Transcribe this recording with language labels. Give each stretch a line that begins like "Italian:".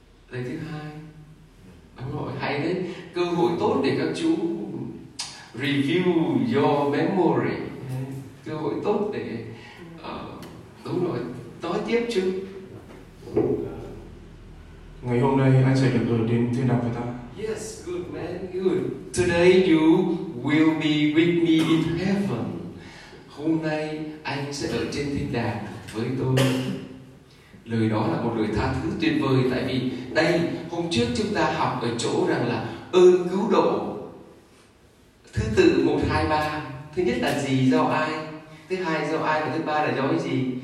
Vietnamese: Lời thứ hai, đúng rồi, hay đấy, cơ hội tốt để các chú
English: review your memory,
Vietnamese: cơ hội tốt để đúng rồi, nói tiếp chứ. Ngày hôm nay anh sẽ được ở đến thế nào với ta?
English: Yes, good man, good. Today you will be with me in heaven.
Vietnamese: Hôm nay anh sẽ ở trên thiên đàng với tôi. Lời đó là một lời tha thứ tuyệt vời. Tại vì đây, hôm trước chúng ta học ở chỗ rằng là ơn cứu độ thứ tự 1, 2, 3. Thứ nhất là gì? Do ai? Thứ hai do ai? Và thứ ba là do cái gì?